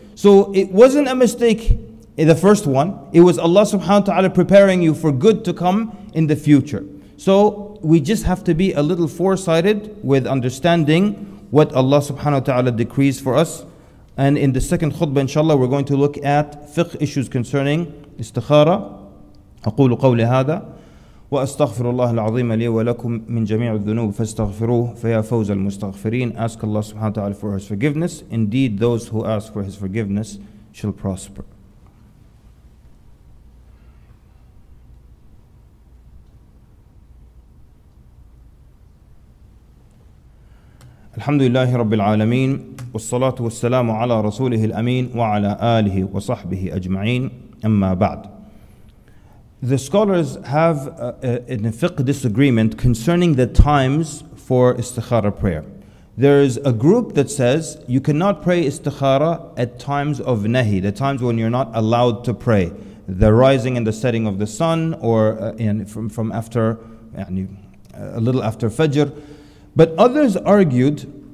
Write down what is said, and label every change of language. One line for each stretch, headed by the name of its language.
English: So it wasn't a mistake in the first one. It was Allah subhanahu wa ta'ala preparing you for good to come in the future. So we just have to be a little foresighted with understanding what Allah subhanahu wa ta'ala decrees for us. And in the second khutbah, inshallah, we're going to look at fiqh issues concerning istikhara.
Arabic: أقول قولي هذا وأستغفر الله العظيم لي ولكم من جميع الذنوب فاستغفروه فيا فوز المستغفرين.
English: Ask Allah subhanahu wa ta'ala for His forgiveness. Indeed, those who ask for His forgiveness shall prosper.
Arabic: الحمد لله رب العالمين والصلاة والسلام على رسوله الأمين وعلى آله وصحبه أجمعين أما بعد.
English: The scholars have a fiqh disagreement concerning the times for istikhara prayer. There is a group that says you cannot pray istikhara at times of nahi, the times when you're not allowed to pray, the rising and the setting of the sun, or from after a little after fajr. But others argued